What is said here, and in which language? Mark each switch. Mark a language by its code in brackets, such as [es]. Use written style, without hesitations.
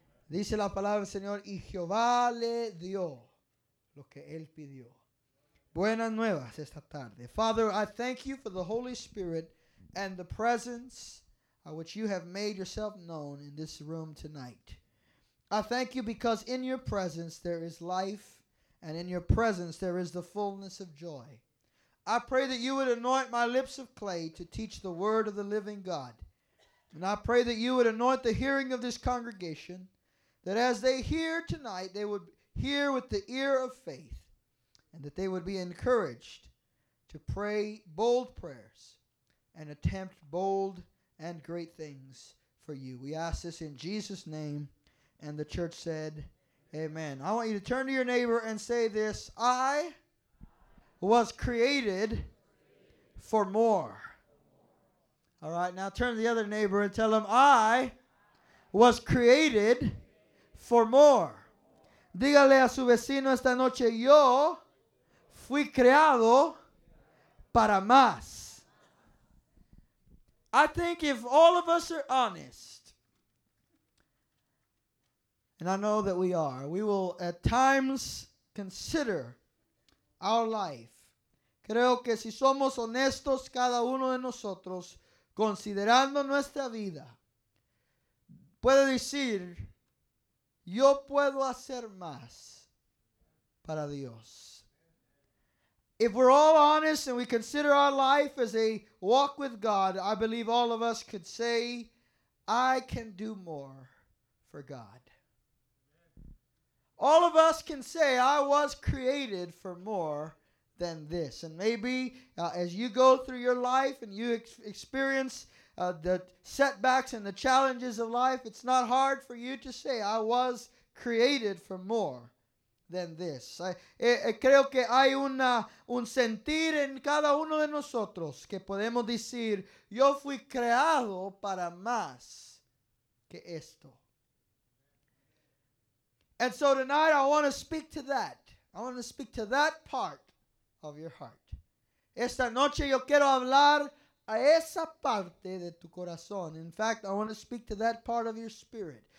[es] Dice la palabra del Señor, y Jehová le dio lo que él pidió. Buenas nuevas esta tarde. [en] Father, I thank you for the Holy Spirit and the presence which you have made yourself known in this room tonight. I thank you because in your presence there is life, and in your presence there is the fullness of joy. I pray that you would anoint my lips of clay to teach the word of the living God. And I pray that you would anoint the hearing of this congregation, that as they hear tonight, they would hear with the ear of faith, and that they would be encouraged to pray bold prayers and attempt bold and great things for you. We ask this in Jesus' name. And the church said, amen. I want you to turn to your neighbor and say this. I was created for more. All right, now turn to the other neighbor and tell him, I was created for more. [es] Dígale a su vecino esta noche, yo fui creado para más. [en] I think if all of us are honest, and I know that we are, we will at times consider our life. [es] Creo que si somos honestos, cada uno de nosotros, considerando nuestra vida, puede decir, yo puedo hacer más para Dios. [en] If we're all honest and we consider our life as a walk with God, I believe all of us could say, I can do more for God. All of us can say, I was created for more than this. And maybe as you go through your life and you experience the setbacks and the challenges of life, it's not hard for you to say, I was created for more than this. [es] Creo que hay un sentir en cada uno de nosotros que podemos decir, yo fui creado para más que esto. [en] And so tonight I want to speak to that. I want to speak to that part of your heart. [es] Esta noche yo quiero hablar a esa parte de tu corazón. [en] In fact, I want to speak to that part of your spirit.